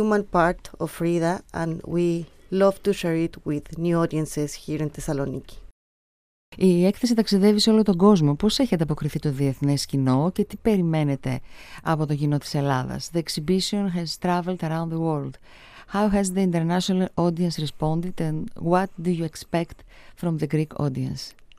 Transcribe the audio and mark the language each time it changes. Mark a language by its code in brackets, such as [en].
[en] Part of Frida, and we love to share it with new audiences here in Thessaloniki. [el] Η έκθεση ταξιδεύει σε όλο τον κόσμο. Πώς έχει ανταποκριθεί το διεθνές κοινό και τι περιμένετε από το κοινό της Ελλάδας? [en] The exhibition has traveled around the world. How has the international audience responded, and what do you expect from the Greek audience?